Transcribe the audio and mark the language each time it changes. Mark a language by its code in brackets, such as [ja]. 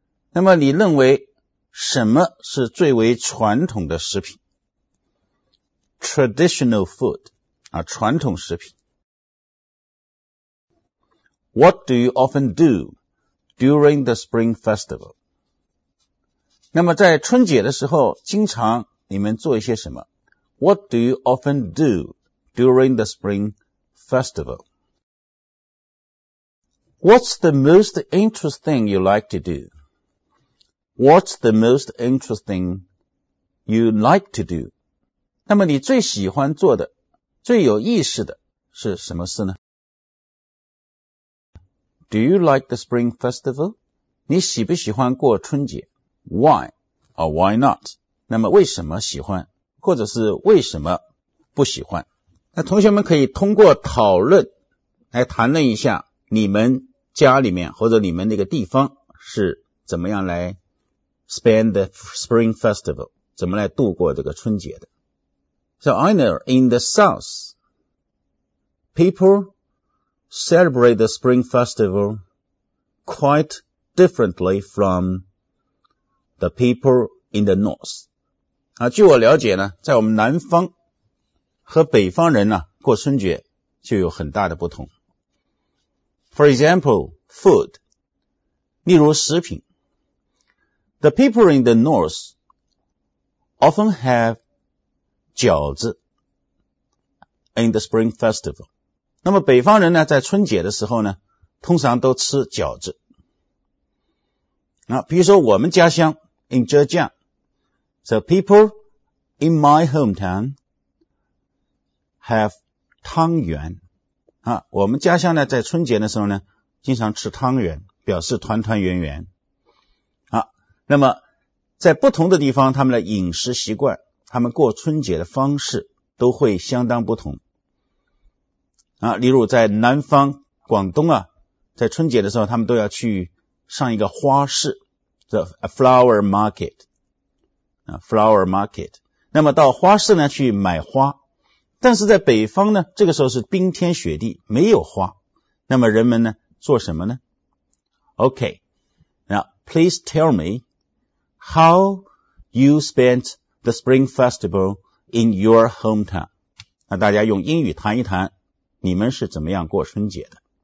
[zh] 那么你认为什么是最为传统的食品？ [en] Traditional food, [zh] 啊，传统食品。 [en] What do you often do during the Spring Festival? [zh] 那么在春节的时候，经常你们做一些什么？ [en] What do you often do during the Spring Festival? What's the most interesting you like to do? What's the most interesting you like to do? [zh] 那么你最喜欢做的、最有意思的是什么事呢？ [en] Do you like the Spring Festival? [zh] 你喜不喜欢过春节？ [en] Why or why not? [zh] 那么为什么喜欢，或者是为什么不喜欢？那同学们可以通过讨论来谈论一下你们家里面或者你们那个地方是怎么样来 [en] spend the Spring Festival, [zh] 怎么来度过这个春节的。 [en] So I know in the South, people celebrate the Spring Festival quite differently from the people in the North. [zh] 啊，据我了解呢，在我们南方和北方人呢过春节就有很大的不同。 [en] For example, food. [zh] 例如食品。 [en] The people in the North often have饺子 in the Spring Festival. [zh] 那么北方人呢在春节的时候呢通常都吃饺子。比如说我们家乡 [en] in Zhejiang. So people in my hometown have 汤圆。 [zh] 我们家乡呢在春节的时候呢经常吃汤圆，表示团团圆圆。那么在不同的地方他们的饮食习惯，他们过春节的方式都会相当不同。例如在南方广东啊，在春节的时候他们都要去上一个花市 , [en] the flower market, flower market, [zh] 那么到花市呢去买花，但是在北方呢这个时候是冰天雪地没有花，那么人们呢做什么呢？ [en] OK, now please tell me how you spent the Spring Festival in your hometown. [zh] 那大家用英语谈一谈你们是怎么样过春节的。